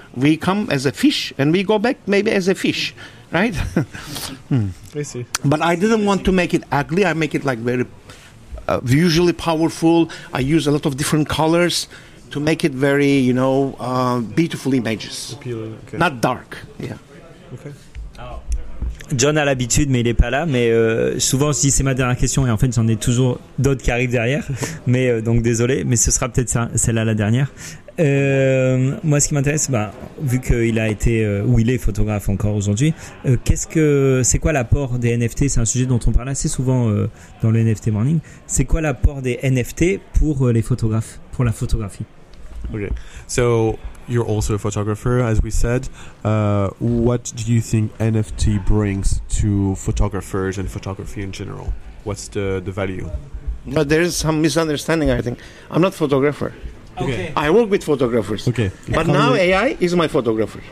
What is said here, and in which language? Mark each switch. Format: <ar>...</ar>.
<en>we come as a fish and we go back maybe as a fish, right? I see. But I didn't want to make it ugly. I make it like very visually powerful. I use a lot of different colors to make it very, you know, beautiful images. Appealing. Okay. Not dark. Yeah. Okay.</en> <fr>John a l'habitude, mais il n'est pas là. Mais souvent, je dis c'est ma dernière question, et en fait, j'en ai toujours d'autres qui arrivent derrière. Mais donc, désolé, mais ce sera peut-être ça, celle-là la dernière. Moi, ce qui m'intéresse, bah, vu qu'il a été ou il est photographe encore aujourd'hui, c'est quoi l'apport des NFT? C'est un sujet dont on parle assez souvent dans le NFT Morning. C'est quoi l'apport des NFT pour les photographes, pour la photographie?</fr> <en>Okay, so you're also a photographer, as we said. What do you think NFT brings to photographers and photography in general? What's the value? But there is some misunderstanding, I think. I'm not a photographer. Okay. I work with photographers. Okay. But now AI is my photographer.</en>